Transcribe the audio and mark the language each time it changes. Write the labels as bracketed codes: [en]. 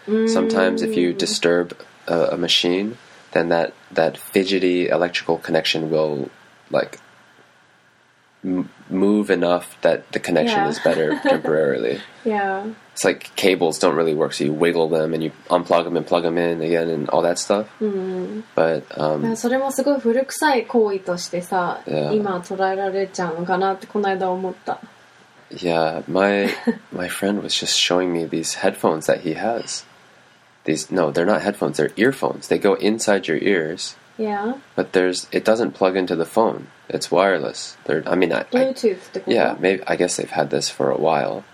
[en] Sometimes if you disturb a machine, then that fidgety electrical connection will, like, move enough that the connection is better temporarily. It's like cables don't really work, so you wiggle them and you unplug them and plug them in again and all that stuff. But [ja] それもすごい古臭い行為としてさ、今捉えられちゃうのかなってこの間思った。 [en] Yeah, my friend was just showing me these headphones that he has. They're not headphones, they're earphones. They go inside your ears. Yeah. But it doesn't plug into the phone. It's wireless. Bluetooth. I guess they've had this for a while.